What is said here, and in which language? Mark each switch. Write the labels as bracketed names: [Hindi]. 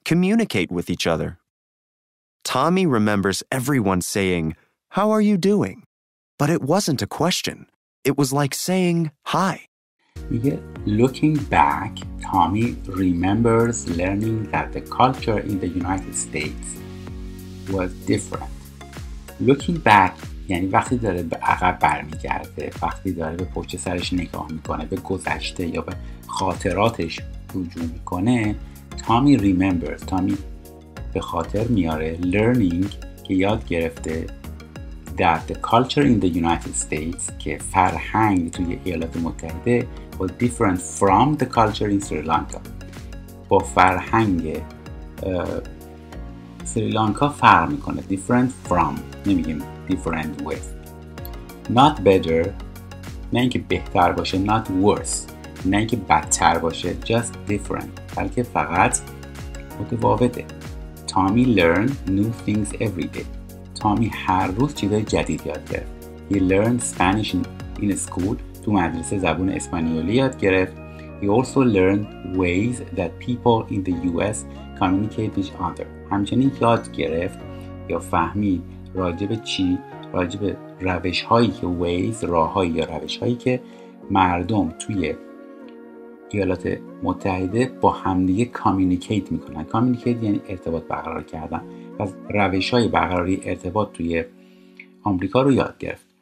[English] communicate with each other. Tommy remembers everyone saying, "How are you doing?" But it wasn't a question. It was like saying, "Hi." Looking back, Tommy remembers learning that the culture in the United States was different. [Persian] Looking back یعنی وقتی داره به عقب برمیگرده، وقتی داره به پشت سرش نگاه میکنه، به گذشته یا به خاطراتش رجوع میکنه، [English] Tommy remembers، [Persian] Tommy به خاطر میاره learning که یاد گرفته [English] that the culture in the United States [Persian] که فرهنگ توی ایالات متحده [English] was different from the culture in Sri Lanka، [Persian] با فرهنگ سریلانکا فرق میکنه. [English] Different from، [Persian] نمیگیم [English] different with. Not better، [Persian] نه اینکه بهتر باشه. [English] Not worse، [Persian] نه اینکه بدتر باشه. [English] Just different، [Persian] بلکه فقط متفاوته. [English] Tommy learned new things every day. تا [Persian] تامی هر روز چیزای جدید یاد گرفت. [English] He learned Spanish in school. [Persian] تو مدرسه زبان اسپانیولی یاد گرفت. [English] He also learned ways that people in the US communicate with each other. [Persian] همچنین یاد گرفت یا فهمید راجب چی؟ راجب روش هایی که ways، راه هایی یا روش هایی که مردم توی ایالات متحده با همدیگه کامیونیکیت میکنن. کامیونیکیت یعنی ارتباط برقرار کردن. پس روش های برقراری ارتباط توی آمریکا رو یاد گرفت.